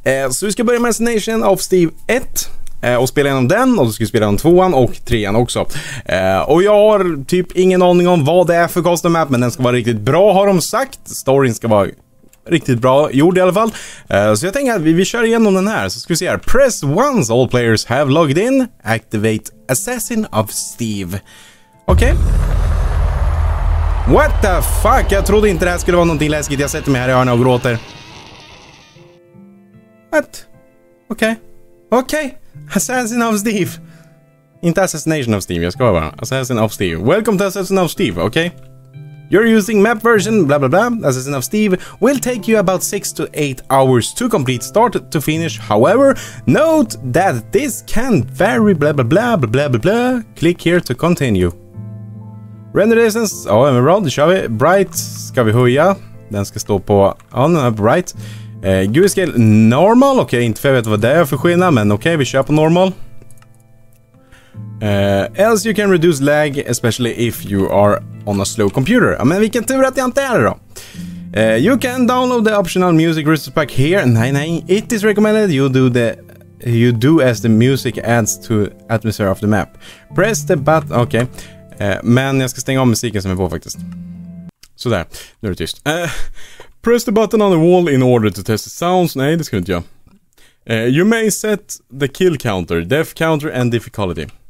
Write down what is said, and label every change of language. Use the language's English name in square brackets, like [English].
[Swedish] Så vi ska börja med Assassination of Steve 1. Och spela igenom den, och då ska vi spela igenom tvåan och trean också. Och jag har typ ingen aning om vad det är för custom map, men den ska vara riktigt bra har de sagt. Storyn ska vara riktigt bra gjord i alla fall. Så jag tänker att vi kör igenom den här, så ska vi se här. [English] Press once all players have logged in, activate Assassin of Steve. [Swedish] Okej. [English] What the fuck, [Swedish] jag trodde inte det här skulle vara någonting läskigt. Jag sätter mig här i hörna och gråter. What? Okej. Okej. Assassin of Steve. Inte Assassination of Steve, jag ska bara. Assassin of Steve. [English] Welcome to Assassin of Steve, okay? You're using map version, blah blah blah. Assassin of Steve will take you about 6 to 8 hours to complete start to finish. However, note that this can vary blah blah blah blah blah blah blah. Click here to continue. Render distance, oh, emerald, [Swedish] kör vi. Bright ska vi höja. Den ska stå på, [English] on bright. Grayscale normal, [Swedish] okej, okay, inte för jag vet vad det är för skillnad, men okej, okay, vi kör på normal. [English] Else you can reduce lag, especially if you are on a slow computer. [Swedish] Ja, men vilken tur att jag inte är det då. [English] You can download the optional music resource pack here. [Swedish] Nej, nej, [English] it is recommended you do as the music adds to atmosphere of the map. Press the button, okej. Okay. [Swedish] Men jag ska stänga av musiken som är på faktiskt. Sådär, nu är det tyst. [English] Press the button on the wall in order to test the sounds. [Swedish] Nej, det ska inte jag. [English] You may set the kill counter, death counter and difficulty.